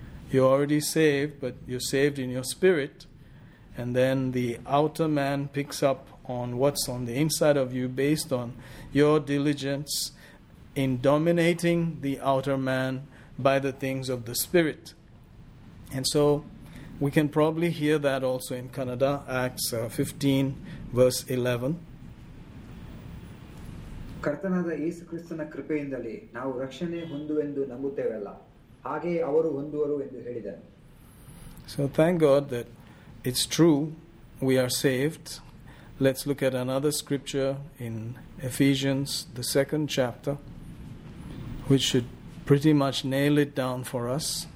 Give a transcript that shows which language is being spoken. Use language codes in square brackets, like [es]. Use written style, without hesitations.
[en] You're already saved, but you're saved in your spirit. And then the outer man picks up on what's on the inside of you based on your diligence in dominating the outer man by the things of the spirit. And so we can probably hear that also in Kannada, Acts 15, verse 11. [kn] ಕರ್ತನಾದ ಯೇಸು ಕ್ರಿಸ್ತನ ಕೃಪೆಯಿಂದಲೇ ನಾವು ರಕ್ಷಣೆ ಹೊಂದುವೆಂದು ನಂಬುತ್ತೇವಲ್ಲ ಹಾಗೆಯೇ ಅವರು ಹೊಂದುವರು ಎಂದು ಹೇಳಿದರು. [en] So thank God that it's true, we are saved. Let's look at another scripture in Ephesians, the second chapter, which should pretty much nail it down for us.